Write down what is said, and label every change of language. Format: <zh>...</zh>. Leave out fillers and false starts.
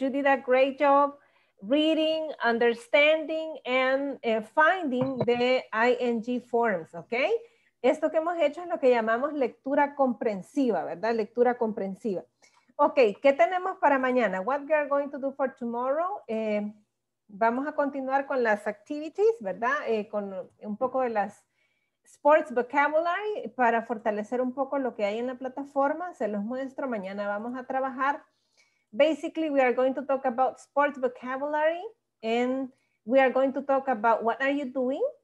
<en>You did a great job reading, understanding, and finding the ing forms, okay?</en> <es>Esto que hemos hecho es lo que llamamos lectura comprensiva, ¿verdad? Lectura comprensiva. Okay, ¿qué tenemos para mañana?</es> <en>What we are going to do for tomorrow?</en> <es>Vamos a continuar con las activities, ¿verdad? Con un poco de las sports vocabulary para fortalecer un poco lo que hay en la plataforma. Se los muestro. Mañana vamos a trabajar.</es> <en>Basically, we are going to talk about sports vocabulary and we are going to talk about what are you doing.</en>